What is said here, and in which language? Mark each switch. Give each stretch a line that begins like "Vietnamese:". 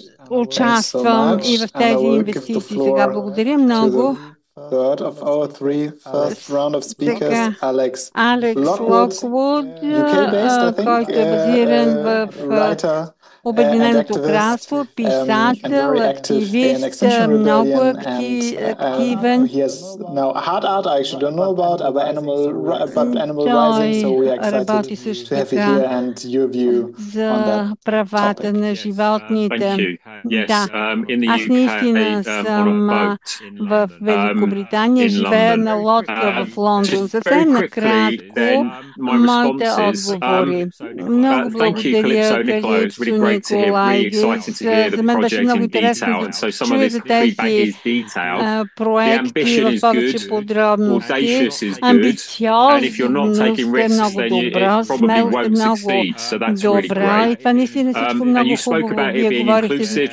Bulgarian: Участвам и в тези инвестиции. Сега благодаря много.
English: Third of our three first round of speakers, Alex
Bulgarian: Lockwood,
English: UK-based, I think, writer,
Bulgarian: Обединеното кралство, писател, активист, много активен. Той работи също така за правата на животните. Да, аз наистина съм в Великобритания, живея на лодка в Лондон. Съвсем накратко, моите отговори. Много благодаря, Филип Соникло.
English: To hear, really excited to hear the project in detail, and so some of this feedback is detailed. The ambition is good, audacious is good, and if you're not taking risks, then you probably won't succeed. So that's really great. And you spoke about it being inclusive.